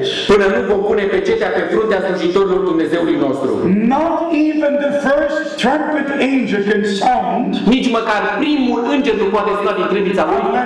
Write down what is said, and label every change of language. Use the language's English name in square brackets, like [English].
[Romanian] Până nu vom pune pecetea pe fruntea slujitorilor Dumnezeului nostru. [English] Not even the first trumpet angel can sound. [Romanian] Nici măcar primul înger nu poate sta din trâmbița lui.